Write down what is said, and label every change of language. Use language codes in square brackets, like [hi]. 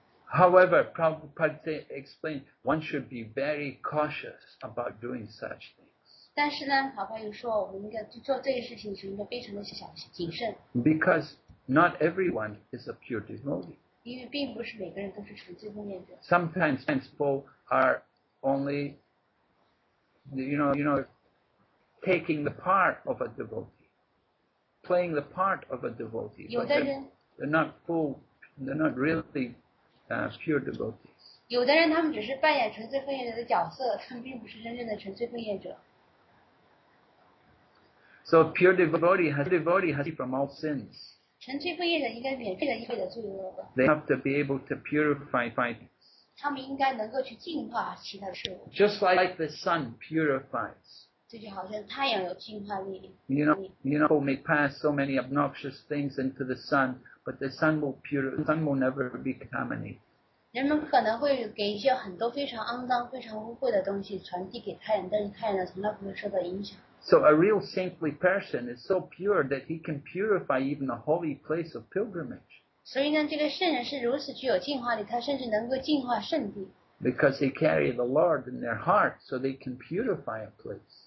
[en] However, Prabhupada explained one should be very cautious about doing such things. [zh] 但是呢，老爸又说，我们应该做这些事情，应该非常的小心谨慎。 [en] Because not everyone is a pure devotee. [zh] 因为并不是每个人都是纯粹奉献者。 [en] Sometimes people are only, you know, taking the part of a devotee. Playing the part of a devotee, but they're not really pure devotees. [zh] 有的人他们只是扮演纯粹奉献者的角色，他们并不是真正的纯粹奉献者。 [en] So pure devotee has free from all sins. [zh] 纯粹奉献者应该免除了一切的罪恶。 [en] They have to be able to purify things. [zh] 他们应该能够去净化其他事物。 [en] Just like the sun purifies. [zh] 这就好像太阳有净化力。 [en] You know, people may pass so many obnoxious things into the sun, but the sun will never be contaminated. [zh] 人们可能会给一些很多非常肮脏、非常污秽的东西传递给太阳，但是太阳呢，从来不会受到影响。 [en] So a real saintly person is so pure that he can purify even a holy place of pilgrimage. [zh] 所以呢，这个圣人是如此具有净化力，他甚至能够净化圣地。 [en] Because they carry the Lord in their heart, so they can purify a place.